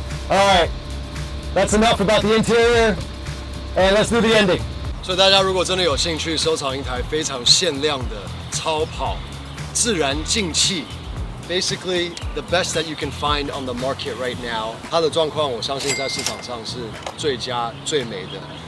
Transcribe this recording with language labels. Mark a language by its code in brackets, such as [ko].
[en] Alright, that's enough about the interior, and let's do the ending. [zh] 所以大家如果真的有兴趣收藏一台非常限量的超跑，自然进气。 [en] Basically, the best that you can find on the market right now. [zh] 它的状况我相信在市场上是最佳最美的。